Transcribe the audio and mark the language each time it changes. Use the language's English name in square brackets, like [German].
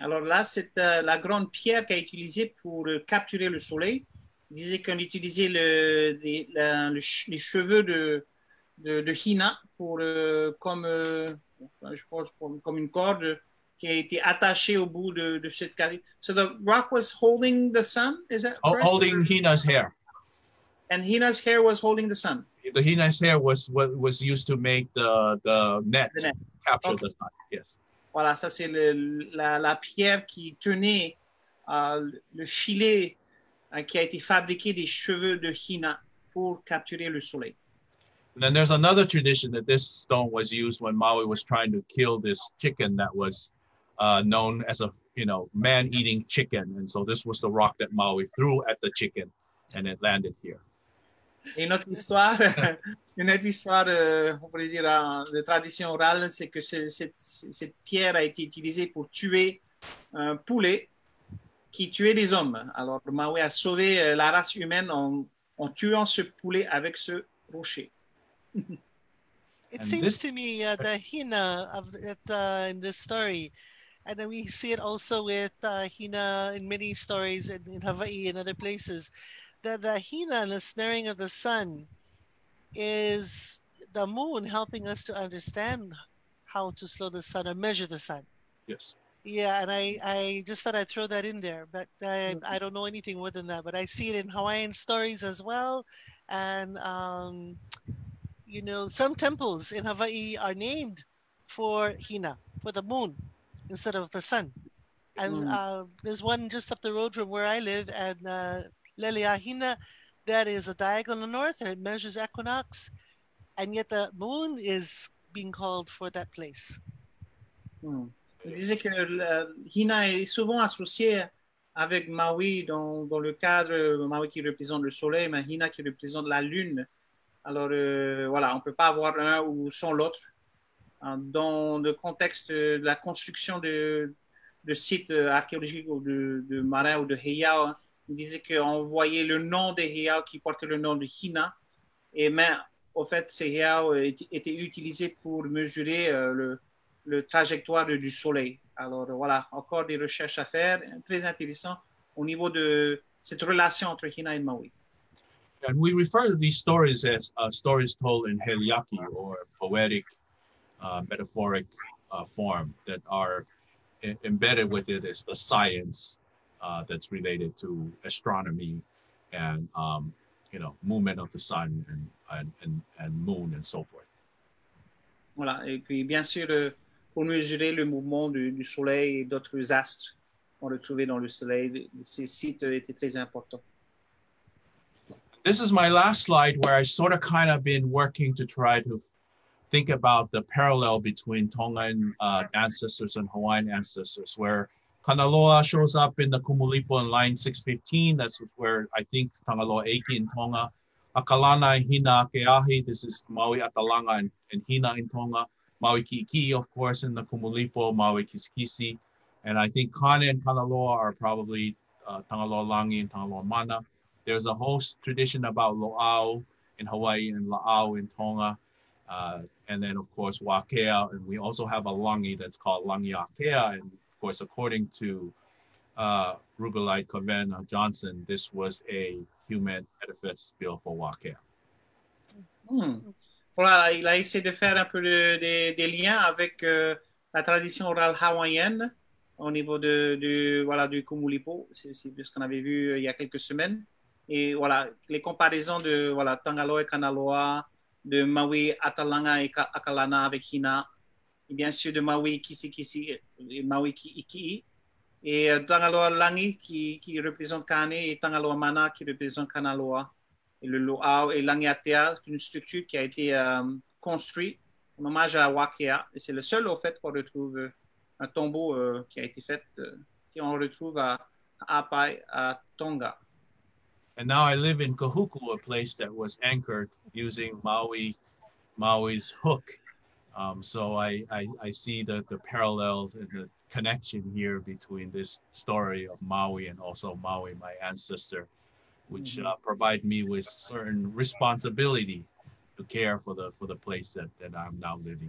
[French] Alors là, c'est la grande pierre qui a été utilisée pour capturer le soleil. Il disait qu'on utilisait les cheveux de Hina pour comme enfin, je pense pour, comme une corde qui a été attachée au bout de cette carie. [English] So the rock was holding the sun, is that correct? Holding Hina's hair. And Hina's hair was holding the sun. The Hina's hair was what was used to make the net, the net capture okay. the sun. Yes. [French] Voilà, ça c'est la pierre qui tenait le filet qui a été fabriqué des cheveux de Hina pour capturer le soleil. [English] And then there's another tradition that this stone was used when Maui was trying to kill this chicken that was known as a, you know, man-eating chicken. And so this was the rock that Maui threw at the chicken and it landed here. [French] Et une autre histoire, on pourrait dire, de tradition orale, c'est que cette pierre a été utilisée pour tuer un poulet qui tuait des hommes. Alors Maui a sauvé la race humaine en tuant ce poulet avec ce rocher. [English] It and seems this... to me the Hina of it in this story, and then we see it also with Hina in many stories in Hawaii and other places, that the Hina and the snaring of the sun is the moon helping us to understand how to slow the sun or measure the sun. Yes. Yeah, and I just thought I'd throw that in there, but I don't know anything more than that, but I see it in Hawaiian stories as well, and you know, some temples in Hawaii are named for Hina, for the moon, instead of the sun. And there's one just up the road from where I live, and Lelea Hina, that is a diagonal in the north, and it measures equinox, and yet the moon is being called for that place. [French] Il disait que Hina est souvent associée avec Maui dans le cadre, Maui qui représente le soleil, mais Hina qui représente la lune. Alors, voilà, on ne peut pas avoir l'un ou sans l'autre. Dans le contexte de la construction de sites archéologiques ou de marins ou de heiau, il disait qu'on voyait le nom des heiau qui portait le nom de Hina. Et mais, au fait, ces heiau étaient utilisés pour mesurer le trajectoire du soleil. Alors, voilà, encore des recherches à faire, très intéressant au niveau de cette relation entre Hina et Maui. [English] And we refer to these stories as stories told in heliaki, or poetic, metaphoric form, that are embedded with it as the science that's related to astronomy and, you know, movement of the sun and moon and so forth. [French] Voilà, et puis bien sûr, pour mesurer le mouvement du soleil et d'autres astres qu'on retrouvait dans le soleil, ces sites étaient très importants. [English] This is my last slide where I sort of kind of been working to try to think about the parallel between Tongan ancestors and Hawaiian ancestors, where Kanaloa shows up in the Kumulipo in line 615. That's where I think Tangaloa Eiki in Tonga, Akalana in Hina Keahi, this is Maui Atalanga and Hina in Tonga, Maui Kiki, of course, in the Kumulipo, Maui Kiskisi, and I think Kane and Kanaloa are probably Tangaloa Langi and Tangaloa Mana. There's a whole tradition about Lo'au in Hawaii and La'au in Tonga. And then, of course, Wakea. And we also have a langi that's called Langiākea. And, of course, according to Rubelite Kavena Johnson, this was a human edifice built for Wakea. [French] Voilà, il a essayé de faire un peu des liens avec la tradition orale hawaïenne au niveau du Kumulipo. C'est ce qu'on avait vu il y a quelques semaines. Et voilà, les comparaisons de voilà, Tangaloa et Kanaloa, de Maui, Atalanga et Akalana avec Hina, et bien sûr de Maui, Kisikisi, et Maui, Kiiki, et Tangaloa Langi qui représente Kane, et Tangaloa Mana qui représente Kanaloa, et le Lo'au et Langiatea, une structure qui a été construite en hommage à Wakea. Et c'est le seul, au fait, qu'on retrouve un tombeau qui a été fait, qu'on retrouve à Apai, à Tonga. [English] And now I live in Kahuku, a place that was anchored using Maui's hook. So I see the parallels and the connection here between this story of Maui and also Maui, my ancestor, which provide me with certain responsibility to care for the place that I'm now living.